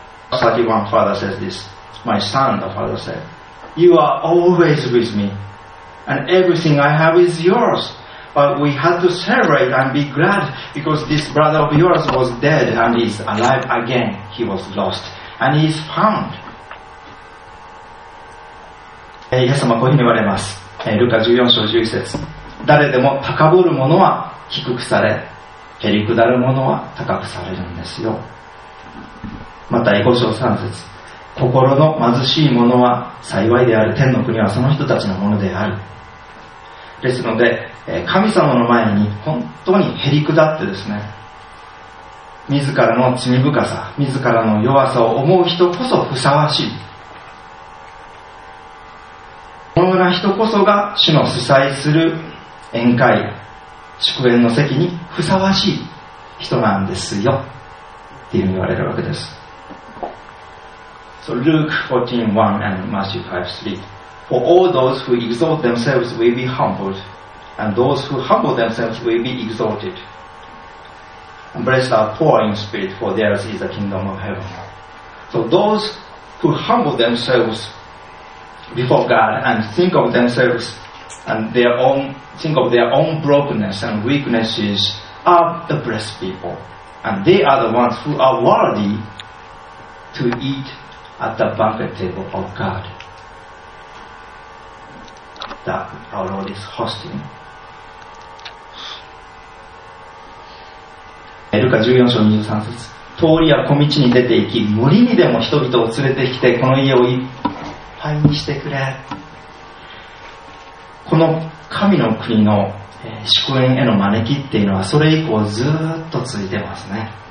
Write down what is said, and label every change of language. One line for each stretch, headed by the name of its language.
English: Verse 31, father says this, My son, the father said, You are always with me and everything I have is yours. But we had to celebrate and be glad because this brother of yours was dead and is alive again. He was lost and he is found.
Japanese: イエス様はこういうふうに言われます。ルカ14章11節、誰でも高ぶる者は低くされ、へりくだる者は高くされるんですよ。また5章3節、心の貧しい者は幸いである、天の国はその人たちのものである。ですので、神様の前に本当にへりくだってですね、自らの罪深さ、自らの弱さを思う人こそふさわしい、このような人こそが主の主催する宴会、祝宴の席にふさわしい人なんですよっていうふうに言われるわけです。
English: So Luke 14:1 and Matthew 5:3 For all those who exalt themselves will be humbled, and those who humble themselves will be exalted. And blessed are poor in spirit, for theirs is the kingdom of heaven. So those who humble themselves before God and think of themselves and their own, think of their own brokenness and weaknesses are the blessed people. And they are the ones who are worthy to eat at the banquet table of God that our Lord is hosting.
Japanese: ルカ14章23節、通りや小道に出て行き、森にでも人々を連れてきて、この家をいっぱいにしてくれ。この神の国の祝宴への招きっていうのは、それ以降ずっと続いてますね。